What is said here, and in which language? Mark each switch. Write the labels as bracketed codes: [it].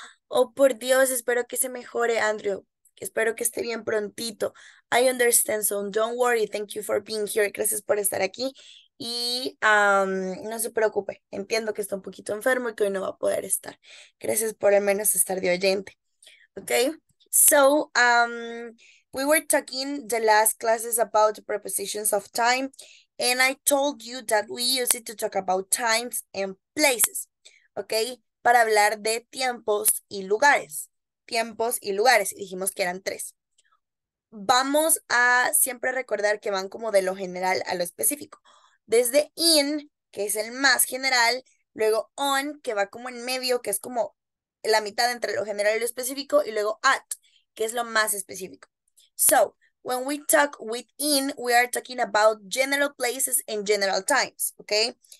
[es] Oh, por Dios, espero que se mejore, Andrew. Espero que esté bien prontito. [en] I understand, so don't worry. Thank you for being here. [es] Gracias por estar aquí. Y no se preocupe. Entiendo que está un poquito enfermo y que hoy no va a poder estar. Gracias por al menos estar de oyente. Ok. [en] So, we were talking the last classes about the prepositions of time. And I told you that we use it to talk about times and places. [es] Ok. Para hablar de tiempos y lugares. Tiempos y lugares, y dijimos que eran tres. Vamos a siempre recordar que van como de lo general a lo específico. Desde in, que es el más general, luego on, que va como en medio, que es como la mitad entre lo general y lo específico, y luego at, que es lo más específico. [en] So, when we talk with in, we are talking about general places and general times, ¿ok?